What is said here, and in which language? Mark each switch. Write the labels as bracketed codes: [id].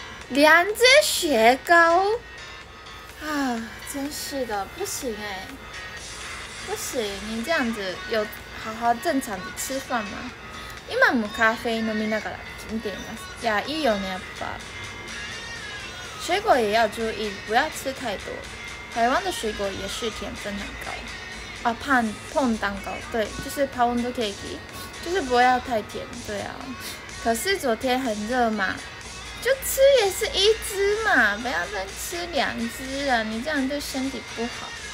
[zh] 两只雪糕啊，真是的，不行哎、欸。不行，你这样子有好好正常的吃饭吗？ [ja] 今もカフェ飲みながら見ています。いや、いいよね、やっぱ。 [zh] 水果也要注意，不要吃太多。台湾的水果也是甜分很高。啊，碰蛋糕，对，就是 pound cake， 就是不要太甜，对啊。可是昨天很热嘛，就吃也是一只嘛，不要再吃两只了，你这样对身体不好。